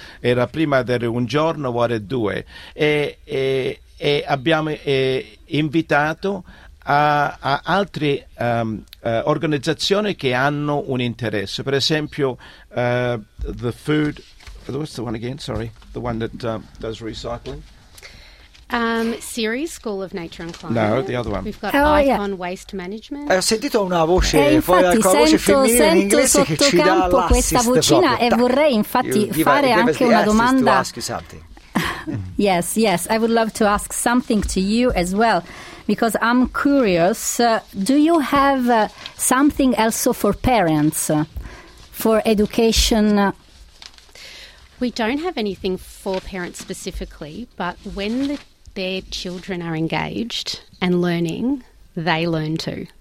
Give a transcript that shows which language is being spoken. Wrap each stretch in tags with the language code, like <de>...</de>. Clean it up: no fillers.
<it>Era prima di un giorno, ora due. E abbiamo invitato a altre organizzazioni che hanno un interesse, per esempio</it> <en>the food, what's the one again, sorry, the one that does recycling, Ceres School of Nature and Climate. No, the other one. We've got Icon Waste Management.</en> <it>Ho sentito una voce, sento sottocampo questa vocina proprio. E vorrei infatti fare anche una domanda.</it> <en>yes, I would love to ask something to you as well, because I'm curious, do you have something also for parents, for education? We don't have anything for parents specifically, but when their children are engaged and learning, they learn too.</en>